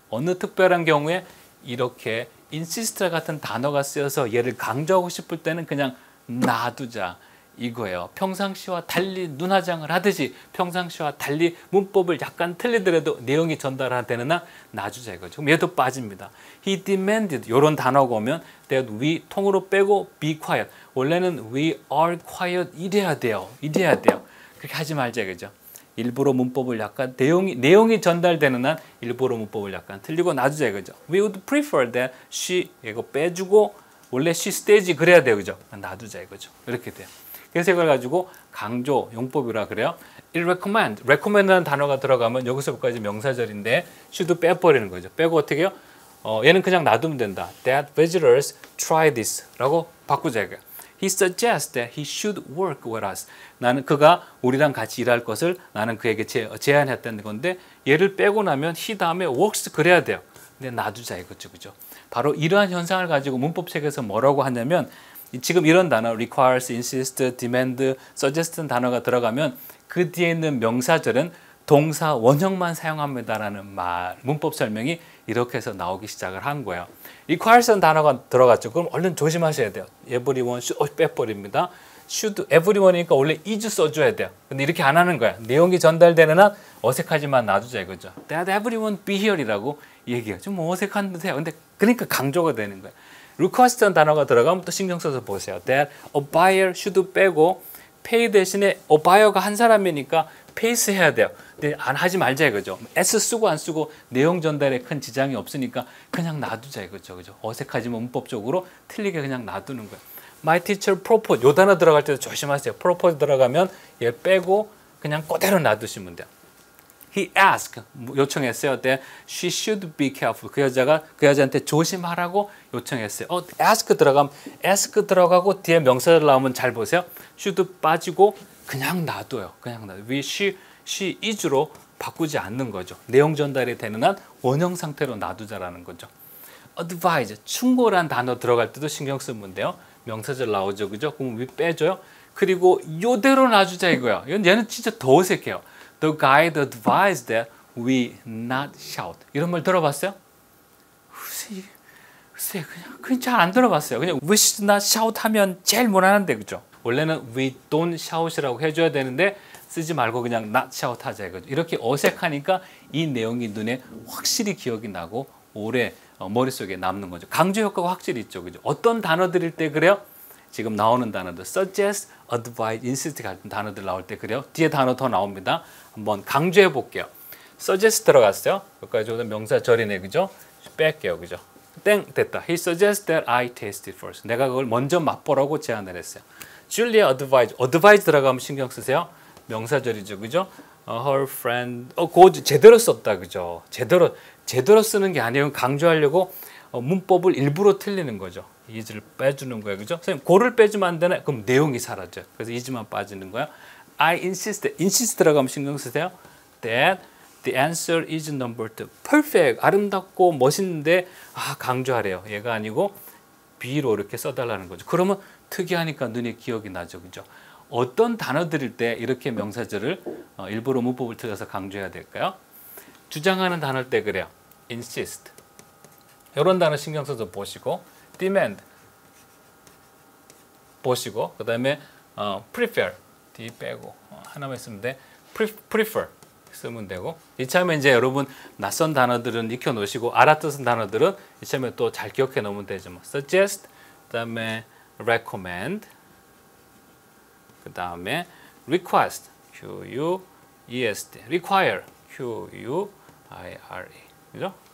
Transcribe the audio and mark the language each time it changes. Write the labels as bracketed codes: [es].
[ko] 어느 특별한 경우에 이렇게 insist 같은 단어가 쓰여서 얘를 강조하고 싶을 때는 그냥 놔두자. 이거예요. 평상시와 달리 눈화장을 하듯이 평상시와 달리 문법을 약간 틀리더라도 내용이 전달되느냐 놔주자 이거죠. 그럼 얘도 빠집니다. [en] He demanded [ko] 이런 단어가 오면 [en] that we [ko] 통으로 빼고 [en] be quiet. [ko] 원래는 we are quiet 이래야 돼요. 이래야 돼요. 그렇게 하지 말자 이거죠. 일부러 문법을 약간 내용이 전달되는 한 일부러 문법을 약간 틀리고 놔주자 이거죠. [en] We would prefer that she [ko] 이거 빼주고 원래 [en] she stays [ko] 그래야 돼요. 그죠? 놔두자 이거죠. 이렇게 돼요. 그래서 이걸 가지고 강조 용법이라 그래요. [en] It recommend. [ko] recommend라는 단어가 들어가면 여기서까지 명사절인데 should 빼버리는 거죠. 빼고 어떻게 해요? 얘는 그냥 놔두면 된다. [en] That visitors try this [ko] 라고 바꾸자 이거예요. [en] He suggests that he should work with us. [ko] 나는 그가 우리랑 같이 일할 것을 나는 그에게 제안했다는 건데 얘를 빼고 나면 he 다음에 works 그래야 돼요. 근데 놔두자 이거죠. 그죠? 바로 이러한 현상을 가지고 문법책에서 뭐라고 하냐면 지금 이런 단어 requires, insist, demand, suggest는 단어가 들어가면 그 뒤에 있는 명사절은 동사 원형만 사용합니다라는 말 문법 설명이 이렇게 해서 나오기 시작을 한 거예요. requires는 단어가 들어갔죠. 그럼 얼른 조심하셔야 돼요. [en] everyone should [ko] 빼버립니다. should everyone이니까 원래 is 써줘야 돼요. 근데 이렇게 안 하는 거야. 내용이 전달되는 한 어색하지만 놔두자 이거죠. [en] that everyone be here이라고 [ko] 얘기해요. 좀 어색한데 근데 그러니까 강조가 되는 거야. request라는 단어가 들어가면 또 신경 써서 보세요. [en] that a buyer should [ko] 빼고 [en] pay 대신에 a buyer가 [ko] 한 사람이니까 [en] pays [ko] 해야 돼요. 근데 안 하지 말자 이거죠. s 쓰고 안 쓰고 내용 전달에 큰 지장이 없으니까 그냥 놔두자 이거죠. 그죠? 어색하지만 문법적으로 틀리게 그냥 놔두는 거야. [en] My teacher proposed. [ko] 요 단어 들어갈 때도 조심하세요. proposed 들어가면 얘 빼고 그냥 그대로 놔두시면 돼요. [en] He asked. [ko] 요청했어요. [en] That she should be careful. [ko] 그 여자한테 조심하라고 요청했어요. ask 들어가면 ask 들어가고 뒤에 명사를 나오면 잘 보세요. should 빠지고 그냥 놔둬요. 그냥 놔둬요. We she is로 바꾸지 않는 거죠. 내용 전달이 되는 한 원형 상태로 놔두자라는 거죠. [en] advise. [ko] 충고란 단어 들어갈 때도 신경 쓰면 돼요. 명사절 나오죠. 그죠? 그럼 위 빼줘요. 그리고 이대로 놔주자 이거야. 얘는 진짜 더 어색해요. [en] The guide advised that we not shout. [ko] 이런 말 들어봤어요? 글쎄 그냥 잘 안 들어봤어요. 그냥 [en] we should not shout [ko] 하면 제일 무난한데 그죠? 원래는 [en] we don't shout [ko] 이라고 해줘야 되는데 쓰지 말고 그냥 not shout 하자 이거죠. 이렇게 어색하니까 이 내용이 눈에 확실히 기억이 나고 오래 머릿속에 남는 거죠. 강조 효과가 확실히 있죠. 그죠? 어떤 단어 드릴 때 그래요? 지금 나오는 단어들 suggest, advise, insist 같은 단어들 나올 때 그래요. 뒤에 단어 더 나옵니다. 한번 강조해 볼게요. suggest 들어갔어요. 여기까지 오는 명사절이네. 그죠? 뺄게요. 그죠? 땡 됐다. [en] He suggests that I taste it first. [ko] 내가 그걸 먼저 맛보라고 제안을 했어요. Julia advise 들어가면 신경 쓰세요. 명사절이죠. 그죠? Her friend. 그거 제대로 썼다. 그죠? 제대로 쓰는 게 아니에요. 강조하려고 문법을 일부러 틀리는 거죠. 이즈를 빼주는 거예요. 그죠? 선생님, 고를 빼주면 안 되나? 그럼 내용이 사라져요. 그래서 이즈만 빠지는 거예요. [en] I insist. [ko] insist 들어가면 신경 쓰세요. [en] That the answer is number two. perfect. [ko] 아름답고 멋있는데 강조하래요. 얘가 아니고 B로 이렇게 써달라는 거죠. 그러면 특이하니까 눈에 기억이 나죠. 그죠? 어떤 단어 드릴 때 이렇게 명사절을 일부러 문법을 틀려서 강조해야 될까요? 주장하는 단어 때 그래요. [en] insist. [ko] 이런 단어 신경 써서 보시고 demand 보시고 그 다음에 prefer D 빼고 하나만 쓰면 돼 prefer 쓰면 되고 이참에 이제 여러분 낯선 단어들은 익혀놓으시고 알아뜻은 단어들은 이참에 또 잘 기억해 놓으면 되죠 뭐. [en] suggest [ko] 그 다음에 [en] recommend 그 다음에 request Q-U-E-S-T require Q-U-I-R-E 그죠?